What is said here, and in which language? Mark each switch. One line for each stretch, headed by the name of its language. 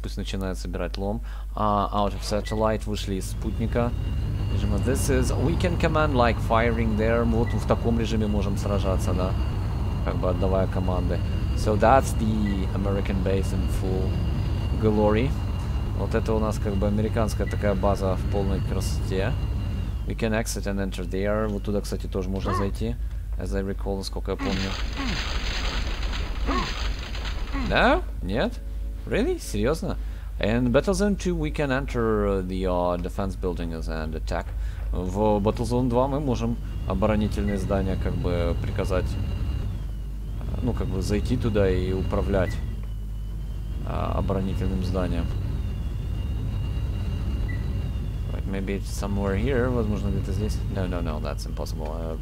Russian: Пусть начинает собирать лом.
English: Out of satellite.
Russian: Вышли из спутника.
English: This is... We can command like firing there.
Russian: Вот в таком режиме можем сражаться, да? Как бы отдавая команды.
English: So that's the American base in full glory.
Russian: Вот это у нас как бы американская такая база в полной красоте.
English: We can exit and enter there.
Russian: Вот туда, кстати, тоже можно зайти.
English: As I recall,
Russian: насколько я помню.
English: No?
Russian: Нет?
English: Really?
Russian: Серьезно?
English: In Battle Zone 2 we can enter the defense buildings and attack.
Russian: В Battle Zone 2 мы можем оборонительные здания как бы приказать, ну как бы зайти туда и управлять оборонительным зданием.
English: Like maybe it's somewhere here,
Russian: возможно где-то здесь.
English: No, no, no, that's impossible.